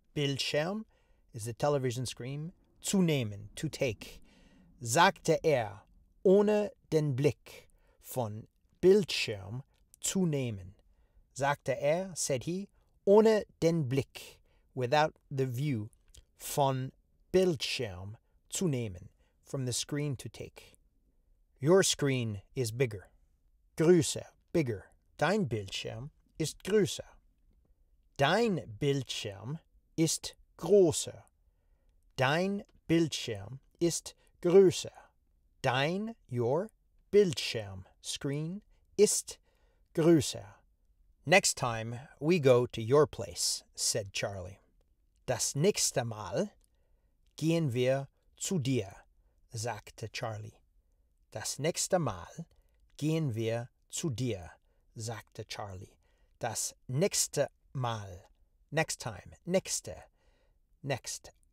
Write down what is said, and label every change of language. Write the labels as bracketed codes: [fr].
[en] Bildschirm is the television screen, [de] zu nehmen, [en] to take. [de] Sagte er, ohne den Blick von Bildschirm zu nehmen. Sagte er, [en] said he, [de] ohne den Blick, [en] without the view, [de] von Bildschirm zu nehmen, [en] from the screen to take. Your screen is bigger. [de] Größer, [en] bigger. [de] Dein Bildschirm ist größer. Dein Bildschirm ist größer. Dein Bildschirm ist größer. Dein, your, Bildschirm, screen, ist größer. [en] Next time we go to your place, said Charlie. [de] Das nächste Mal gehen wir zu dir, sagte Charlie. Das nächste Mal gehen wir zu dir, sagte Charlie. Das nächste Mal, [en] next time, [de] nächste, next.